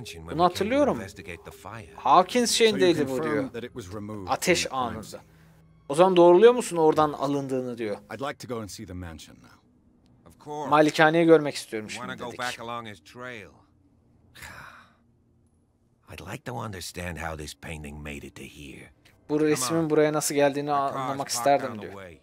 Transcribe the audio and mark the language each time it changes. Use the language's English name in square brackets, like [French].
[Turkish] Bunu hatırlıyorum. Hawkins şeyindeydi bu diyor. Ateş anında. O zaman doğruluyor musun oradan alındığını diyor. [English] I'd like to go and see the mansion now. Of course. [Turkish] Malikaneyi görmek istiyorum şimdi dedik. [English] I want to go back along his trail. I'd like to understand how this painting made it to here. [Turkish] Bu resmin buraya nasıl geldiğini anlamak isterdim diyor.